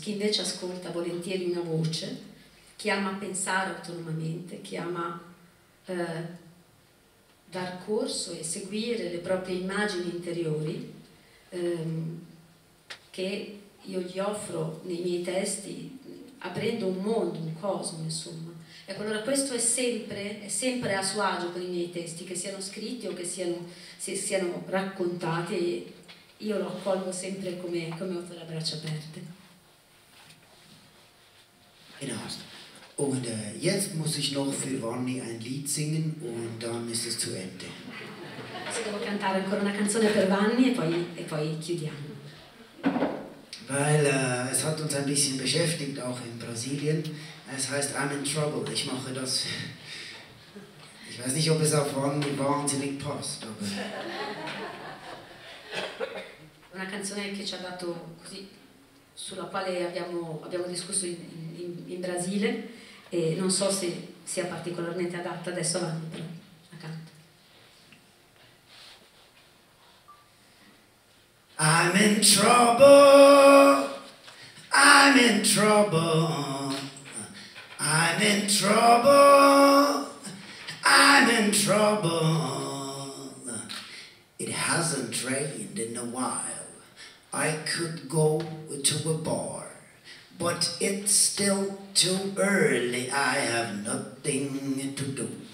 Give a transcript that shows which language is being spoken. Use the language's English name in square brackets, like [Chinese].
[Italian] Chi invece ascolta volentieri una voce, chi ama pensare autonomamente, chi ama dar corso e seguire le proprie immagini interiori, che io gli offro nei miei testi, aprendo un mondo, un cosmo, insomma. Ecco, allora questo è sempre a suo agio per i miei testi, che siano scritti o che siano raccontati, io lo accolgo sempre come, come opera a braccia aperte. [German] Genau. Und jetzt muss ich noch für Vanni ein Lied singen und dann ist es zu Ende. [Italian] Se devo cantare ancora una canzone per Vanni e poi chiudiamo. [German] Weil es hat uns ein bisschen beschäftigt, auch in Brasilien. Es heißt [English] I'm in trouble. [German] Ich mache das. Ich weiß nicht, ob es auf Vanni wahnsinnig passt. Aber... [Italian] Una canzone che ci ha dato così, sulla quale abbiamo discusso in Brasile. E non so se sia particolarmente adatta adesso a Vanni, però la canto. [English] I'm in trouble, I'm in trouble, I'm in trouble, I'm in trouble. It hasn't rained in a while, I could go to a bar, but it's still too early, I have nothing to do.